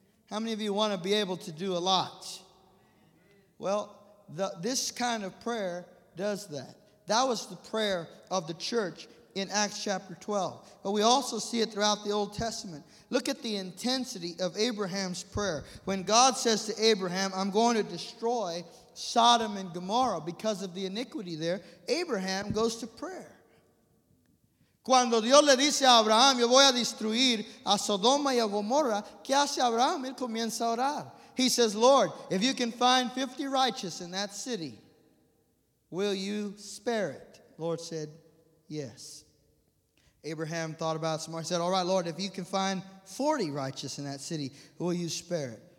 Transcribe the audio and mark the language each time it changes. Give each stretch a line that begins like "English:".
English: How many of you want to be able to do a lot? Well, this kind of prayer does that. That was the prayer of the church in Acts chapter 12. But we also see it throughout the Old Testament. Look at the intensity of Abraham's prayer. When God says to Abraham, I'm going to destroy Sodom and Gomorrah because of the iniquity there, Abraham goes to prayer.
Spanish: Cuando Dios le dice a Abraham, yo voy a destruir a Sodoma y a Gomorra, ¿qué hace Abraham? Él comienza a orar.
English: He says, Lord, if you can find 50 righteous in that city, will you spare it? Lord said, yes. Abraham thought about it some more. He said, all right, Lord, if you can find 40 righteous in that city, will you spare it?